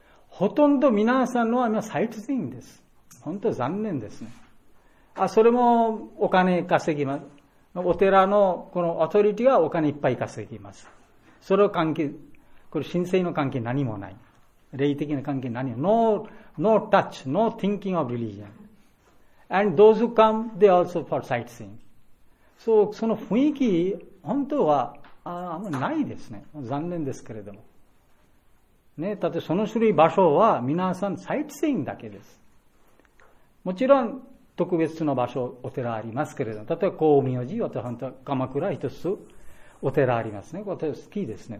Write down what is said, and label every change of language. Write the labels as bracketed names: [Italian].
[Japanese] ほとんど皆さんのは今、sightseeing です。本当残念ですね。あ、それもお金稼ぎます。お寺のこのアトリティがお金いっぱい稼ぎます。それを関係、これ神聖の関係何もない。霊的な関係何も [English] no touch, no thinking of religion. And those who come, they also for sightseeing. [Japanese] So, その雰囲気、本当は、あんまりないですね。残念ですけれども。ね、だってその種類場所は皆さん sightseeing だけです。もちろん、特別の場所、お寺ありますけれども、例えば、光明寺、私は本当は鎌倉一つ、お寺ありますね。私は好きですね。